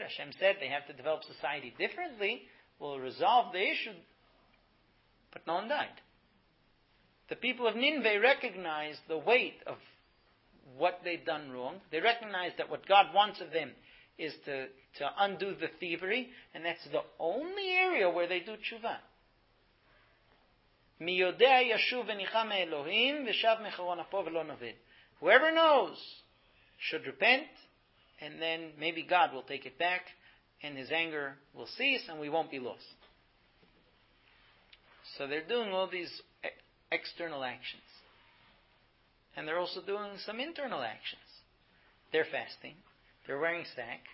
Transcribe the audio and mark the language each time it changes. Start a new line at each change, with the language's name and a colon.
English: Hashem said they have to develop society differently. We'll resolve the issue. But no one died. The people of Nineveh recognized the weight of what they've done wrong. They recognize that what God wants of them is to undo the thievery, and that's the only area where they do tshuva.
Hebrew: מיודה ישוב וניחם אלוהים ושב מחרון אפו ולא נבד.
English: Whoever knows should repent, and then maybe God will take it back, and his anger will cease, and we won't be lost. So they're doing all these external actions. And they're also doing some internal actions. They're fasting. They're wearing sack.